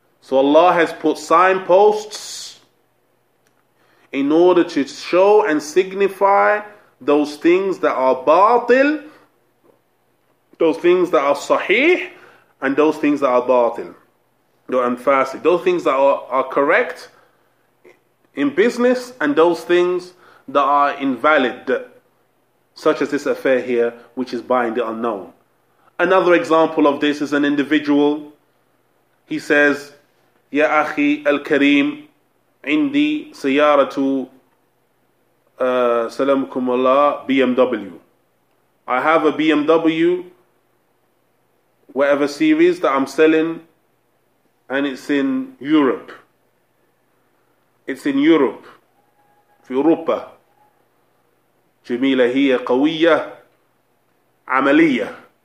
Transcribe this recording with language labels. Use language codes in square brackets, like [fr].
[en] So Allah has put signposts in order to show and signify those things that are batil, those things that are sahih, and those things that are batil, and fasid. Those things that are correct in business, and those things that are invalid, such as this affair here, which is buying the unknown. Another example of this is an individual. He says, [ar] يا أخي الكريم عندي سيارة سلامكم الله BMW. [en] I have a BMW, whatever series that I'm selling, and it's in Europe. It's in Europe. [ar] في أوروبا. جميلة هي قوية عملية.